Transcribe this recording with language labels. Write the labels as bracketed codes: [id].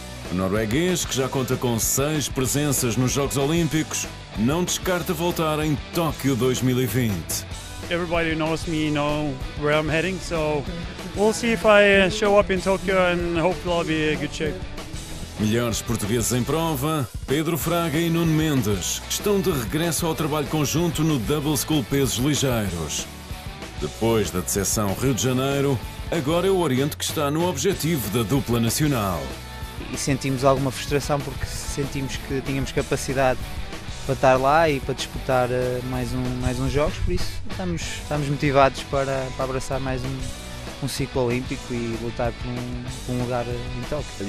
[pt] O norueguês, que já conta com 6 presenças nos Jogos Olímpicos, não descarta voltar em Tóquio 2020. [en] Everybody who knows me know where I'm heading, so we'll see if I show up in Tokyo and hopefully I'll be in good shape. [pt] Melhores portugueses em prova, Pedro Fraga e Nuno Mendes, estão de regresso ao trabalho conjunto no Double School Pesos Ligeiros. Depois da decepção Rio de Janeiro, agora é o Oriente que está no objetivo da dupla nacional. E sentimos alguma frustração porque sentimos que tínhamos capacidade para estar lá e para disputar mais uns jogos, por isso estamos motivados para abraçar mais um ciclo olímpico e lutar por um lugar em Tóquio.